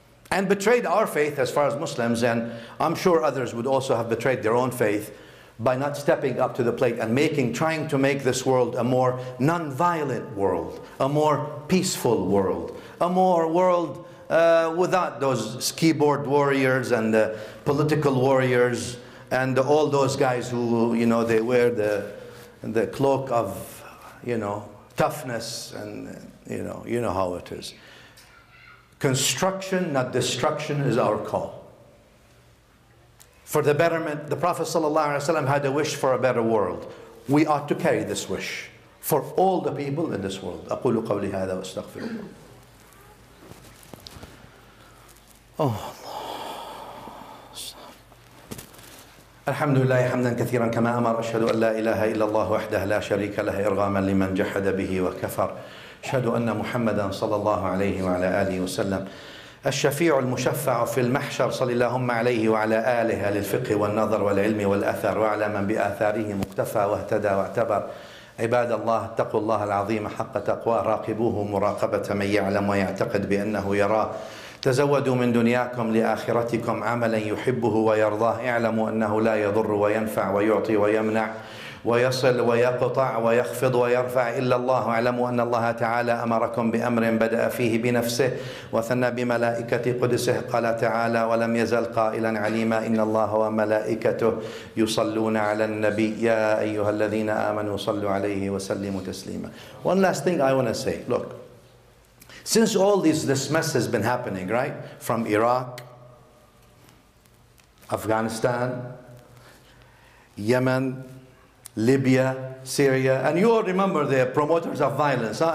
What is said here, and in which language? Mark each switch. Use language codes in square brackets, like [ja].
[en] and betrayed our faith as far as Muslims, and I'm sure others would also have betrayed their own faith by not stepping up to the plate and trying to make this world a more non-violent world, a more peaceful world, a more world without those keyboard warriors and the political warriors and all those guys who, you know, they wear the cloak of, you know, toughness, and you know how it is. Construction, not destruction, is our call. For the betterment, the Prophet ﷺ had a wish for a better world. We ought to carry this wish for all the people in this world. [ar] أقول قولي هذا واستغفر الله. [en] Oh Allah. [ar] الحمد لله حمدا كثيرا كما أمر أشهد أن لا إله إلا الله وحده لا شريك له إرغاما لمن جحد به وكفر أشهد أن محمدا صلى الله عليه وعلى آله وسلم الشفيع المشفع في المحشر صلى اللهم عليه وعلى آله للفقه والنظر والعلم والأثر وعلى من بآثاره مقتفى واهتدى واعتبر عباد الله اتقوا الله العظيم حق تقواه راقبوه مراقبة من يعلم ويعتقد بأنه يراه تزودوا من دنياكم لآخرتكم عملا يحبه ويرضاه اعلموا أنه لا يضر وينفع ويعطي ويمنع ويصل ويقطع ويخفض ويرفع إلا الله واعلموا أن الله تعالى أمركم بأمر بدأ فيه بنفسه وثنى بملائكة قدسه قال تعالى ولم يزل قائلا عليما إن الله وملائكته يصلون على النبي يا أيها الذين آمنوا صلوا عليه وسلموا تسليما. [en] One last thing I want to say. Look, since all this mess has been happening, right? From Iraq, Afghanistan, Yemen, Libya, Syria, and you all remember the promoters of violence. Huh?